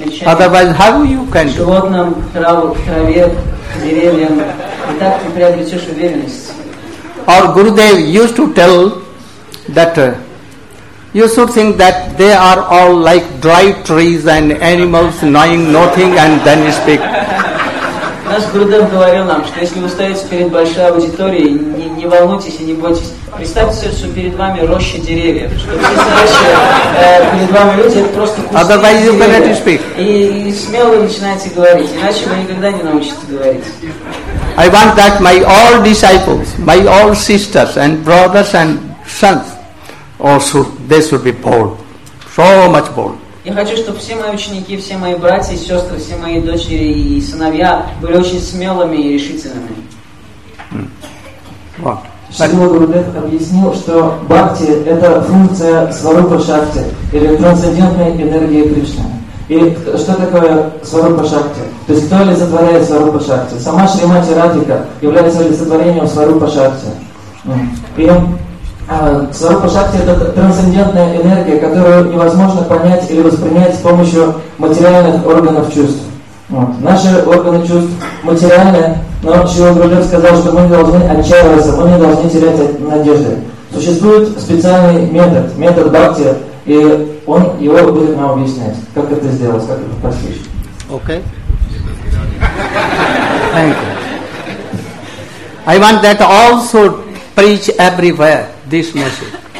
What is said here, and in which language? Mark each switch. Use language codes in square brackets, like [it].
[en] Otherwise, how you can do? Our Gurudev used to tell that you should think that they are all like dry trees and animals knowing nothing and then speak. [ru] Наш Гурудев говорил нам, что если вы стоите перед большой аудиторией, не волнуйтесь и не бойтесь. Представьте себе, что перед вами роща деревьев. Что все сидящие перед вами люди, это просто кусты деревьев. И смело вы начинаете говорить, иначе вы никогда не научитесь говорить. [en] I want that my all disciples, my all sisters and brothers and sons, also they should be bold. So much bold. [ru] Я хочу, чтобы все мои ученики, все мои братья и сестры, все мои дочери и сыновья были очень смелыми и решительными. Шрила Гурудев объяснил, что бхакти – это функция сварупа шакти, или трансцендентной энергии Кришны. И что такое сварупа шакти? То есть кто олицетворяет сварупа шакти? Сама Шримати Радхика является олицетворением сварупа шакти. Сварупа-шакти – это трансцендентная энергия, которую невозможно понять или воспринять с помощью материальных органов чувств. Наши органы чувств материальные, но Шрила Гурудев сказал, что мы не должны отчаиваться, мы не должны терять надежды. Существует специальный метод, метод бхакти, и он его будет нам объяснять, как это сделать, как это постичь. [en] Окей. Thank you. I want that also preach everywhere. This message.